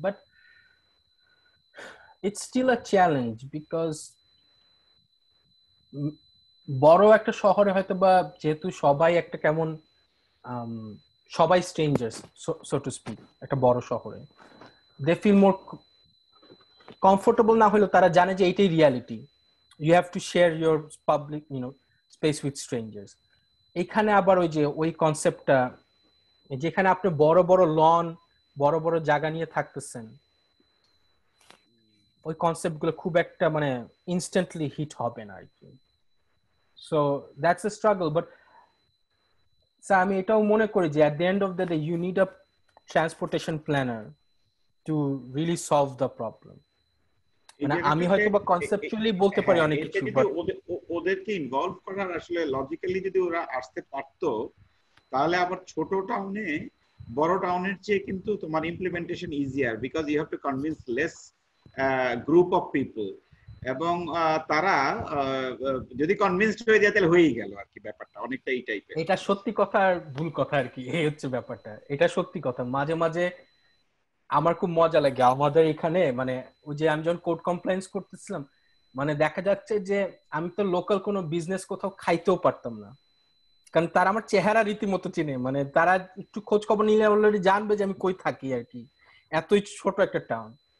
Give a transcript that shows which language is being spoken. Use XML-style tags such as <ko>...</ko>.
<en>but it's still a challenge because</en> <bn>বড় একটা শহরে হয়তো বা যেহেতু সবাই একটা কেমন সবাই</bn> <en>strangers so to speak,</en> <bn>একটা বড় শহরে</bn> <en>they feel more comfortable,</en> <bn>না হলেও তারা জানে যে এইটাই</bn> <en>Reality, you have to share your public you know space with strangers.</en> <bn>এখানে আবার ওই যে ওই কনসেপ্টটা যেখানে আপনি বড় বড় লন বড় বড় জায়গা নিয়ে থাকতেছেন, ওই কনসেপ্টগুলো খুব একটা মানে ইনস্ট্যান্টলি হিট হবে না আর কি।</bn> <en>So that's a struggle, but so I mean, I think at the end of the day, you need a transportation planner to really solve the problem. I can say conceptually, but I can say that if they involve themselves logically, if they are involved, then in small town, in small town, your implementation is easier because you have to convince less group of people.</en> <bn>এবং তারা যদি convinced হয়ে যায় তাহলে হয়েই গেল আর কি ব্যাপারটা, অনেকটা এই টাইপের। এটা সত্যি কথা আর ভুল কথা আর কি, এই হচ্ছে ব্যাপারটা, এটা সত্যি কথা। মাঝে মাঝে আমার খুব মজা লাগে আমাদের এখানে মানে ওই যে আমি যখন কোর্ট কমপ্লায়েন্স করতেছিলাম, মানে দেখা যাচ্ছে যে আমি তো লোকাল কোনো বিজনেস কোথাও খাইতেও পারতাম না, কারণ তারা আমার চেহারা রীতিমতো চিনে, মানে তারা একটু খোঁজ খবর নিলে অলরেডি জানবে যে আমি কই থাকি আর কি, এতই ছোট একটা টাউন।</bn>